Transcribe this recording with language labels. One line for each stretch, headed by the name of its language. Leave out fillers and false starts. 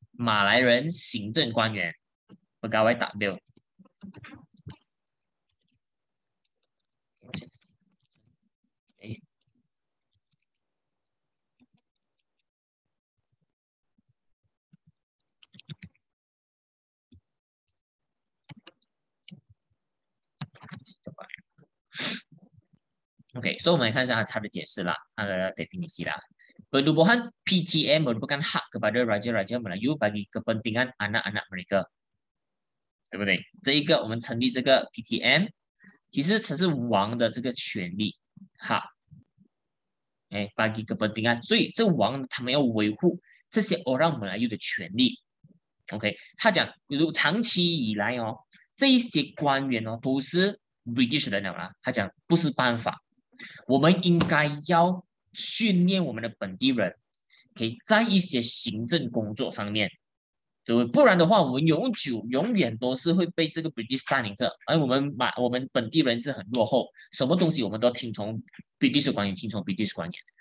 Chinese: 马来人行政官员 pegawai takbil， 哎 ，OK， 所以我们来看一下他的解释啦，他的 definisi 啦。
Malay: Penubuhan PTM merupakan hak kepada raja-raja Melayu bagi kepentingan anak-anak mereka. Betul tak? Jadi, kita membentuk PTM, sebenarnya ini adalah hak kepada raja-raja bagi kepentingan. Jadi, ini adalah hak kepada raja-raja bagi kepentingan orang Melayu. Okay, dia kata, kalau sepanjang masa, para pejabat ini adalah British. Dia kata, tidak ada cara. Kita harusnya
Chinese: 训练我们的本地人，可以在一些行政工作上面，对，不然的话，我们永远都是会被这个 British 占领着。而我们本地人是很落后，什么东西我们都听从 British 官员，听从 British 官员。